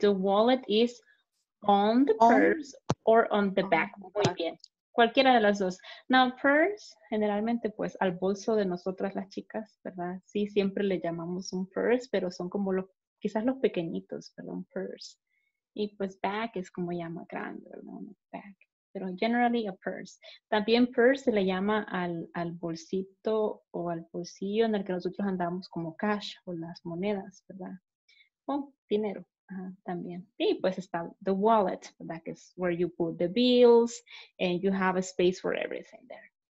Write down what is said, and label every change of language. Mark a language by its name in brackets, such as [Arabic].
[English] The wallet is on the purse or on the bag. [Spanish] Muy bien. Cualquiera de las dos. Now, purse, generalmente, pues, al bolso de nosotras las chicas, ¿verdad? Sí, siempre le llamamos un purse, pero son como los, quizás los pequeñitos, perdón, purse. Y, pues, bag es como llama grande, ¿verdad? Bag. Pero [English] generally a purse. [Spanish] También purse se le llama al bolsito o al bolsillo en el que nosotros andamos como cash o las monedas, ¿verdad? O dinero, también. Y pues está the wallet, ¿verdad? Que es [English] where you put the bills and you have a space for everything there.